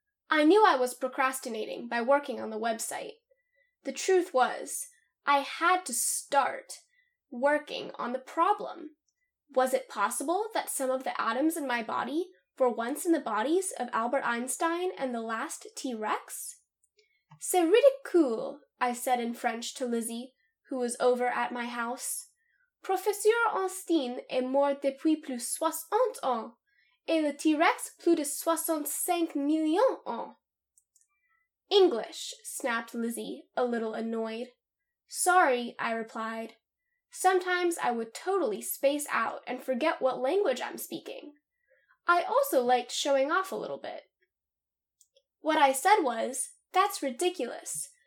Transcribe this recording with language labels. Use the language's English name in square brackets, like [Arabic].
[English] I knew I was procrastinating by working on the website. The truth was, I had to start working on the problem. Was it possible that some of the atoms in my body were once in the bodies of Albert Einstein and the last T-Rex? C'est ridicule, I said in French to Lizzie, who was over at my house. [French] Professeur Einstein est mort depuis plus soixante ans. Et le T-Rex plus de 65 millions ans. [English] English, snapped Lizzie, a little annoyed. Sorry, I replied. Sometimes I would totally space out and forget what language I'm speaking. I also liked showing off a little bit. What I said was, that's ridiculous.